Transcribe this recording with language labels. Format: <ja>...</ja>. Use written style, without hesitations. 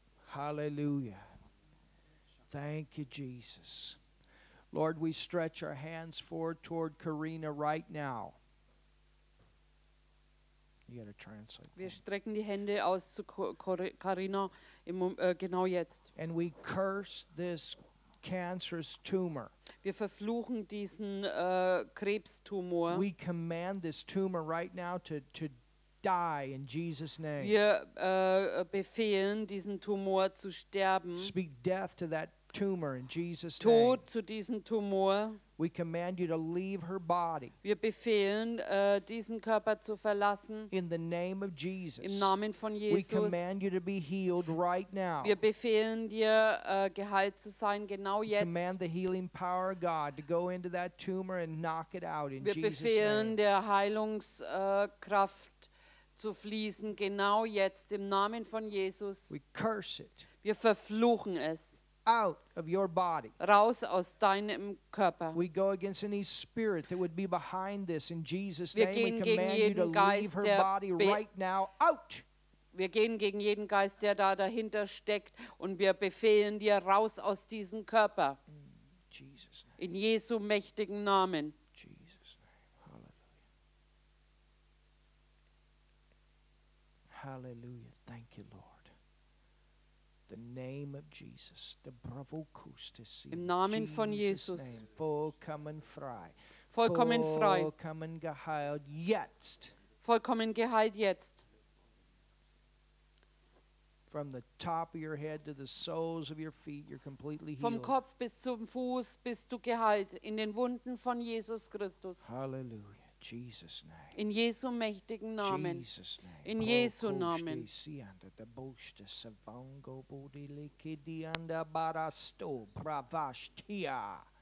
<en>Hallelujah. Thank you, Jesus. Lord, we stretch our hands forward toward Karina right now. You got to translate.</en> <de>Wir strecken die Hände aus zu Karina genau jetzt.</de> <en>And we curse this cancerous tumor.</en> <de>Wir verfluchen diesen Krebstumor.</de> <en>We command this tumor right now to die in Jesus' name.</en> <de>Wir befehlen diesen Tumor zu sterben.</de> <en>Speak death to that tumor in Jesus'</en> <de>Tod</de> <en>name.</en> <de>Zu diesem Tumor.</de> <en>We command you to leave her body.</en> <de>Wir befehlen, diesen Körper zu verlassen.</de> <en>In the name of Jesus.</en> <de>Im Namen von Jesus.</de> <en>We command you to be healed right now.</en> <de>Wir befehlen dir, geheilt zu sein, genau jetzt.</de> <en>We command the healing power of God to go into that tumor and knock it out in</en> <de>Wir</de> <en>Jesus'</en> <de>befehlen,</de> <en>name.</en> <de>Der Heilungskraft zu fließen, genau jetzt, im Namen von Jesus.</de> <en>We curse it.</en> <de>Wir verfluchen es.</de> <en>Out of your body.</en> <de>Raus aus deinem Körper.</de> <en>We go against any spirit that would be behind this in Jesus'</en> <de>Wir</de> <en>name. We command</en> <de>gegen</de> <en>you to</en> <de>Geist,</de> <en>leave her body right now. Out!</en> <de>Wir gehen gegen jeden Geist, der da dahinter steckt, und wir befehlen dir, raus aus diesem Körper.</de> <en>Jesus name.</en> <de>In Jesu mächtigen Namen.</de> <en>Jesus name. Hallelujah. Hallelujah. Thank you, Lord. The name of Jesus. The bravo custis.</en> <de>Im Namen Jesus von Jesus. Name. Vollkommen frei. Vollkommen frei. Vollkommen geheilt jetzt. Vollkommen geheilt jetzt.</de> <en>From the top of your head to the soles of your feet, you're completely healed.</en> <de>Vom Kopf bis zum Fuß bist du geheilt in den Wunden von Jesus Christus.</de> <en>Hallelujah, Jesus name.</en> <de>In Jesu mächtigen Namen.</de> <en>Jesus name.</en> <de>In Jesu Namen. Sianda da boste savango bodileke di anda barasto bravastia.</de>